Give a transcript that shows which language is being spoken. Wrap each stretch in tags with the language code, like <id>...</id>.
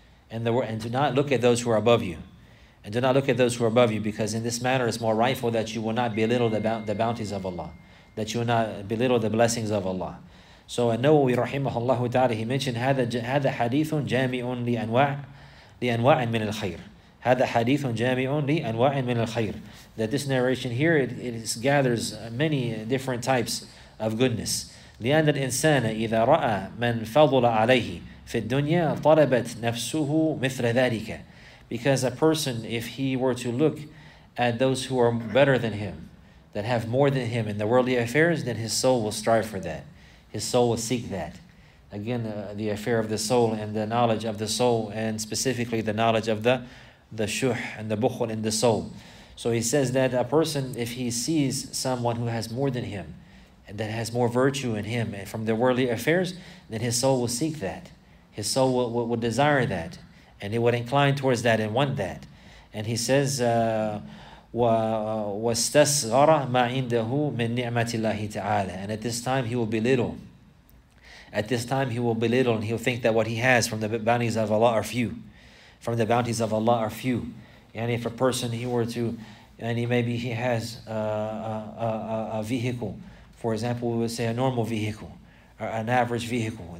<en>And do not look at those who are above you. And do not look at those who are above you, because in this manner it's more rightful that you will not belittle the bounties of Allah, that you will not belittle the blessings of Allah. So An-Nawawi rahimahullah ta'ala, he mentioned,</en> <ar>هذا حديث جامع لأنواع من الخير. هذا حديث جامع لأنواع من الخير.</ar> <en>That this narration here, it gathers many different types of goodness.</en> <ar>لأن الإنسان إذا رأى من فضل عليه في الدنيا طلبت نفسه مثل ذلك,</ar> <en>because a person, if he were to look at those who are better than him, that have more than him in the worldly affairs, then his soul will strive for that. His soul will seek that. Again, the affair of the soul and the knowledge of the soul, and specifically the knowledge of the shuh and the bukhul in the soul. So he says that a person, if he sees someone who has more than him, and that has more virtue in him from the worldly affairs, then his soul will seek that. His soul would desire that, and he would incline towards that and want that. And he says,</en> <ar>وَاسْتَسْغَرَ مَا عِنْدَهُ مِنْ نِعْمَةِ اللَّهِ تَعَالَى.</ar> <en>And at this time, he will belittle. At this time, he will belittle, and he will think that what he has from the bounties of Allah are few. From the bounties of Allah are few. And if a person, he were to, and maybe he has a vehicle. For example, we would say a normal vehicle, an average vehicle.</en>